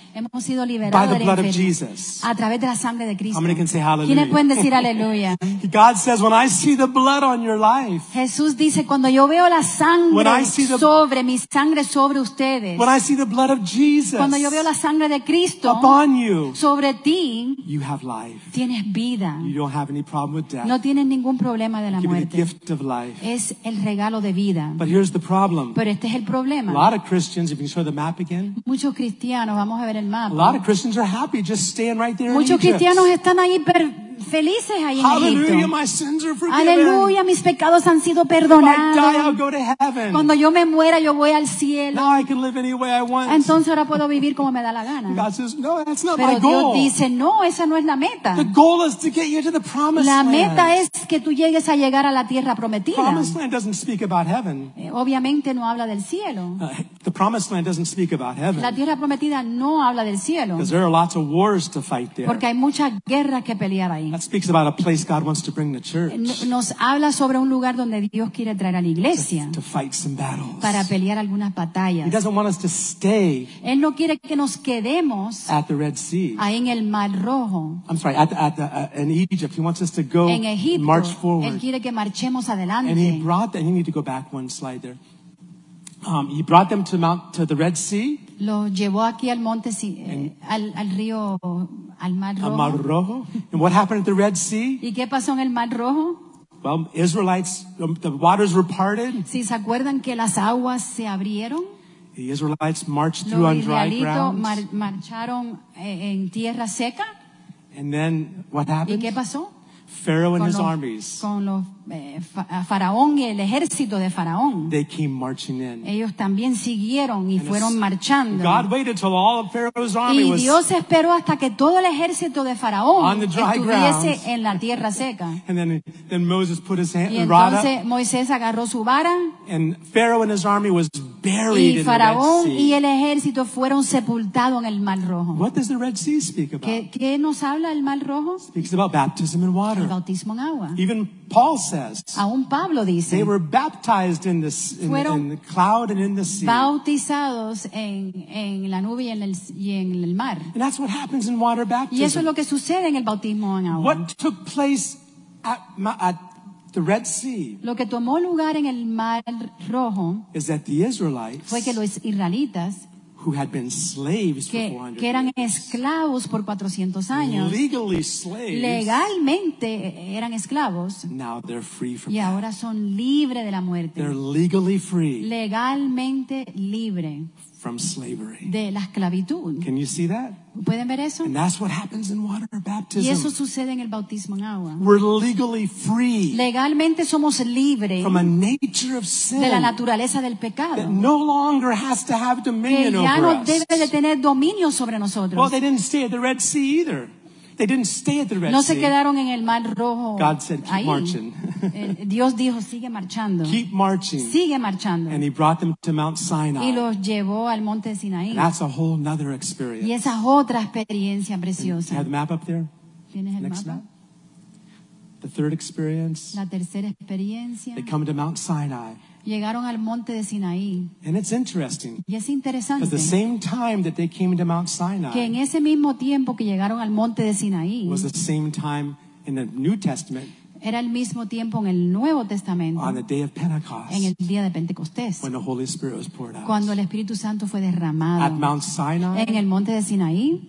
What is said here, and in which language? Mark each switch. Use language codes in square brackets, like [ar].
[es] Hemos sido liberados a través de la sangre de Cristo. ¿Quiénes pueden decir aleluya? [en] God says, when I see the blood on your life, [es] Jesús dice, cuando yo veo la sangre sobre mi sangre sobre ustedes, [en] when I see the blood of Jesus, [es] cuando yo veo la sangre de Cristo [en] upon you, [es] sobre ti, [en] you have life. [es] Tienes vida. [en] You don't have any problem with death. [es] No tienes ningún problema de la [en] you [es] muerte. [en] Give the gift of life. [es] Es el regalo de vida. [en] But here's the problem. [es] Pero este es el problema. [en] A lot of Christians, if you show the map again, [es] muchos cristianos, vamos a ver. [en] A lot of Christians are happy just staying right there. [es] Muchos [en] in Egypt. [es] Cristianos están ahí felices ahí en [en] Hallelujah, [es] Egipto. [en] Hallelujah, my sins are forgiven. [es] Aleluya, mis pecados han sido perdonados. [en] If I die, I'll go to heaven. [es] Cuando yo me muera, yo voy al cielo. [en] Now I can live any way I want. [es] Entonces ahora puedo vivir como me da la gana. [en] God says, no, that's not [es] Pero [en] my goal. [es] Pero Dios dice, no, esa no es la meta. [en] The goal is to get you to the promised land. [es] La meta es que tú llegues a llegar a la tierra prometida. [en] Promised land doesn't speak about heaven. [es] Obviamente no habla del cielo. [en] The promised land doesn't speak about heaven. [es] La tierra prometida no habla del cielo. [en] Because there are lots of wars to fight there. [es] Porque hay muchas guerras que pelear ahí. [en] That speaks about a place God wants to bring the church. [es] Nos habla sobre un lugar donde Dios quiere traer a la iglesia. [en] To fight some battles. [es] Para pelear algunas batallas. [en] He doesn't want us to stay. [es] Él no quiere que nos quedemos. [en] At the Red Sea. [es] Ahí en el Mar Rojo. [en] I'm sorry. In Egypt, he wants us to go [es] en Egipto, [en] and march forward. [es] Él quiere que marchemos adelante. [en] And he brought them. You need to go back one slide there. He brought them to the Red Sea. [es] Lo llevó aquí al monte, al río. Al Mar Rojo. [en] And what happened at the Red Sea? [es] ¿Y qué pasó en el Mar Rojo? [en] Well, Israelites, the waters were parted. [es] ¿Sí, se acuerdan que las aguas se abrieron? [en] The Israelites marched Los through on dry ground. [es] Los israelitos marcharon en tierra seca. [en] And then what happened? [es] ¿Y qué pasó? [en] Pharaoh and his armies. [es] Con los faraón y el ejército de faraón. [en] They came marching in. [es] Ellos también siguieron y [en] and [es] fueron marchando. [en] God waited till all of Pharaoh's army [es] y Dios esperó hasta que todo el ejército de faraón estuviese [en] ground. [es] En la tierra seca. [en] And then Moses put his hand, [es] y entonces Moisés agarró su vara. [en] And Pharaoh and his army was buried [es] y faraón [en] in the Red Sea. [es] Y el ejército fueron sepultados en el Mar Rojo. [en] What does the Red Sea speak about? [es] ¿Qué nos habla el Mar Rojo? [en] It speaks about baptism in water. [es] El bautismo en agua. [en] Even Paul says, [es] aún Pablo dice, [en] they were baptized in the cloud and in the sea. [es] Bautizados en la nube y en el mar. [en] And that's what happens in water baptism. [es] Y eso es lo que sucede en el bautismo en agua. [en] What took place at the Red Sea? [es] Lo que tomó lugar en el Mar Rojo [en] is that the Israelites, [es] fue que los israelitas, [en] who had been slaves [es] que, [en] for 400 years, [es] que eran esclavos por 400 años, [en] legally slaves, [es] legalmente eran esclavos, [en] now they're free from [es] y [en] that. [es] Ahora son libres de la muerte. [en] They're legally free, [es] legalmente libre [en] from slavery, [es] de la esclavitud. [en] Can you see that? [es] ¿Pueden ver eso? [en] And that's what happens in water baptism. [es] Y eso sucede en el bautismo en agua. [en] We're legally free. [es] Legalmente somos libres. [en] From a nature of sin. [es] De la naturaleza del pecado. [en] That no longer has to have dominion over us. [es] Que ya no debe de tener dominio sobre nosotros. [en] Well, they didn't stay at the Red Sea either. They didn't stay at the Red Sea. [es] No se quedaron en el Mar Rojo. [en] God said, keep marching. [es] Dios dijo, sigue marchando. [en] Keep marching. [es] Sigue marchando. [en] And he brought them to Mount Sinai. [es] Y los llevó al monte de Sinaí. [en] And that's a whole other experience. [es] Y esa es otra experiencia preciosa. [en] You have the map up there? [es] ¿Tienes el [en] Next [es] mapa? [en] Map? The third experience. [es] La tercera experiencia. [en] They come to Mount Sinai. [es] Llegaron al monte de Sinaí. [en] And it's interesting. [es] Y es interesante. [en] Because the same time that they came to Mount Sinai. [es] Que en ese mismo tiempo que llegaron al monte de Sinaí. [en] Was the same time in the New Testament. [es] Era el mismo tiempo en el Nuevo Testamento. [en] On the day of Pentecost. [es] En el día de Pentecostés. [en] When the Holy Spirit was poured out. [es] Cuando el Espíritu Santo fue derramado. [en] At Mount Sinai. [es] En el monte de Sinaí.